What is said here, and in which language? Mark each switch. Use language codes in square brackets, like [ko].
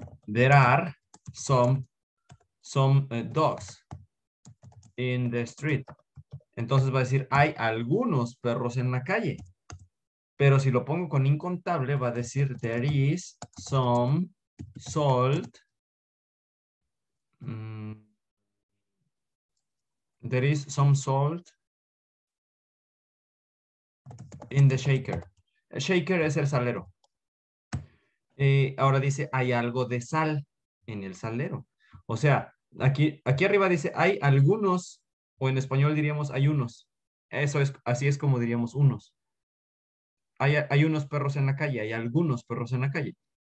[en] There are some dogs in the street. [es] Entonces va a decir, hay algunos perros en la calle. Pero si lo pongo con incontable, va a decir, [en] there is some salt. There is some salt in the shaker. [es] Shaker es el salero. Ahora dice, hay algo de sal en el salero. O sea, aquí arriba dice, hay algunos, o en español diríamos, hay unos. Eso es, así es como diríamos, unos. Hay unos perros en la calle, hay algunos perros en la calle.